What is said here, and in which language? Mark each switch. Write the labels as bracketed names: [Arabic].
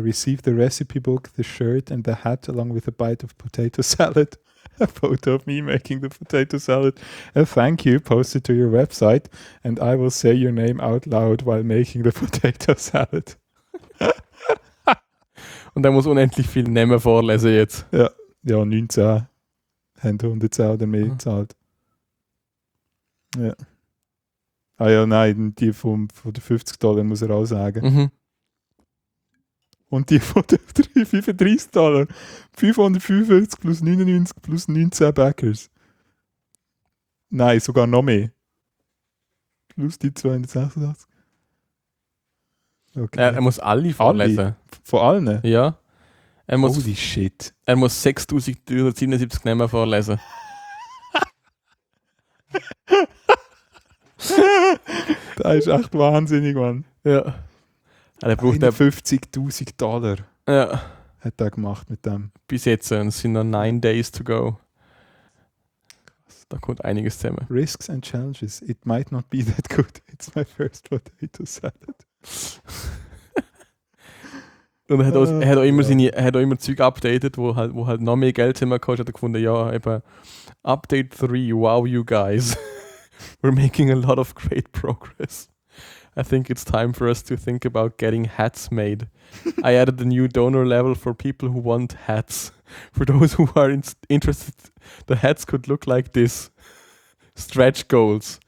[English] Receive the recipe book, the shirt and the hat along with a bite of potato salad. A photo of me making the potato salad. A thank you posted to your website and I will say your name out loud while making the potato salad. [German] Und da muss unendlich viel Namen vorlesen jetzt. Ja, 19 haben 110 oder mehr gezahlt. Ja. Ah ja, nein, die von den $50 muss er auch sagen. Mhm. Und die von den $35. 555 plus 99 plus 19 Backers. Nein, sogar noch mehr. Plus die 286. Okay. Er muss alle vorlesen. Alle? Von allen? Ja. [English] Holy shit. [German] Er muss 6377 Namen vorlesen. Das ist echt wahnsinnig, Mann. Ja. Er braucht $50,000. Ja. Hat er gemacht mit dem. Bis jetzt, es sind noch 9 [English] days to go. [German] Da kommt einiges zusammen. [English] Risks and challenges. It might not be that good. It's my first potato salad. [German] Und er hat auch immer Zeug updated, wo halt noch mehr Geld zusammengekommen hat. Er hat gefunden, ja, eben Update 3, [English] wow, you guys. We're making a lot of great progress. I think it's time for us to think about getting hats made. I added a new donor level for people who want hats. For those who are interested, the hats could look like this. Stretch goals.